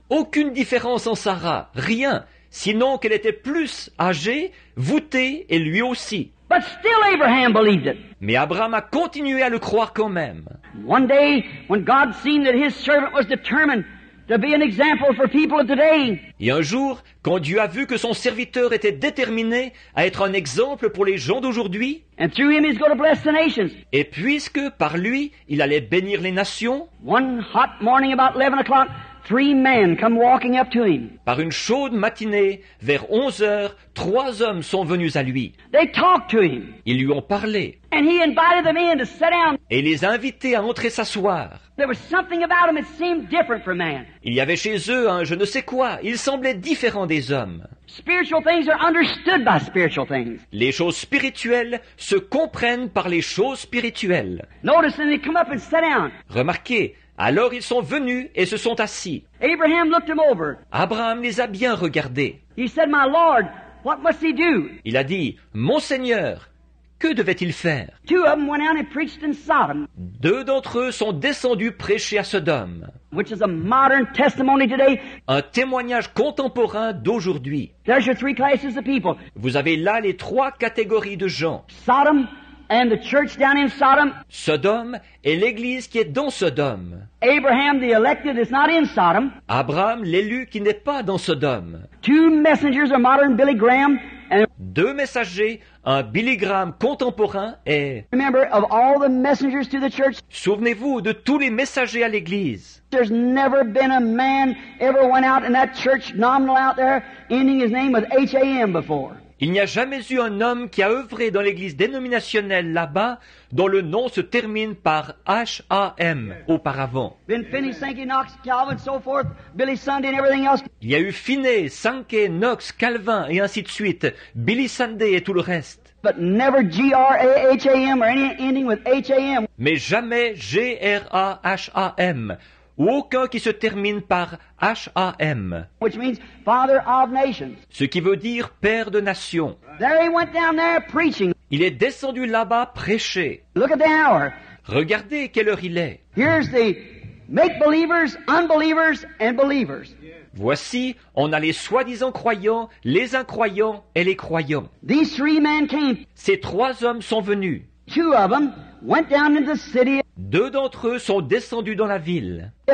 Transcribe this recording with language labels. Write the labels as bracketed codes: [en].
[fr] Aucune différence en Sarah, rien, sinon qu'elle était plus âgée, voûtée, et lui aussi. [en] But still Abraham believed it. [fr] Mais Abraham a continué à le croire quand même. [en] One day, when God seen that his servant was determined to be an example for people of today. [fr] Et un jour, quand Dieu a vu que son serviteur était déterminé à être un exemple pour les gens d'aujourd'hui, [en] and through him he's going to bless the nations. [fr] Et puisque par lui, il allait bénir les nations, [en] one hot morning about 11 o'clock, three men come walking up to him. [fr] Par une chaude matinée, vers 11 heures, trois hommes sont venus à lui. [en] They talked to him. [fr] Ils lui ont parlé. [en] And he invited them in to sit down. [fr] Et les a invités à entrer s'asseoir. [en] There was something about him that seemed different from man. [fr] Il y avait chez eux un je ne sais quoi. Il semblait différent des hommes. [en] Spiritual things are understood by spiritual things. [fr] Les choses spirituelles se comprennent par les choses spirituelles. [en] Notice that they come up and sit down. [fr] Remarquez. Alors ils sont venus et se sont assis. [en] Abraham looked him over. [fr] Abraham les a bien regardés. [en] He said, "My Lord, what must he do?" [fr] Il a dit, "Mon Seigneur, que devait-il faire?" [en] Two of them went out and preached in Sodom. [fr] Deux d'entre eux sont descendus prêcher à Sodome. [en] Which is a modern testimony today. [fr] Un témoignage contemporain d'aujourd'hui. [en] There's your three classes of people. Vous avez là les trois catégories de gens. Sodom. And the church down in Sodom. [fr] Sodome et l'église qui est dans Sodome. [en] Abraham, the elected, is not in Sodom. [fr] Abraham, l'élu, qui n'est pas dans Sodome. [en] Two messengers are modern Billy Graham. And [fr] deux messagers, un Billy Graham contemporain est. [en] Remember of all the messengers to the church. [fr] Souvenez-vous de tous les messagers à l'église. [en] There's never been a man ever went out in that church nominal out there ending his name with H-A-M before. [fr] Il n'y a jamais eu un homme qui a œuvré dans l'église dénominationnelle là-bas dont le nom se termine par H-A-M auparavant. [en] Been finished, Sankey, Knox, Calvin, so forth, Billy Sunday and everything else. [fr] Il y a eu Finney, Sankey, Knox, Calvin et ainsi de suite, Billy Sunday et tout le reste. [en] But never G-R-A-H-A-M or any ending with H-A-M. [fr] Mais jamais G-R-A-H-A-M. Ou aucun qui se termine par H-A-M. [en] Which means Father of Nations. [fr] Ce qui veut dire Père de Nations. [en] There he went down there preaching. [fr] Il est descendu là-bas prêcher. [en] Look at the hour. [fr] Regardez quelle heure il est. [en] Here's the make-believers, unbelievers, and believers. [fr] Voici, on a les soi-disant croyants, les incroyants et les croyants. [en] These three men came. [fr] Ces trois hommes sont venus. [en] Two of them went down into the city. [fr] Deux d'entre eux sont descendus dans la ville.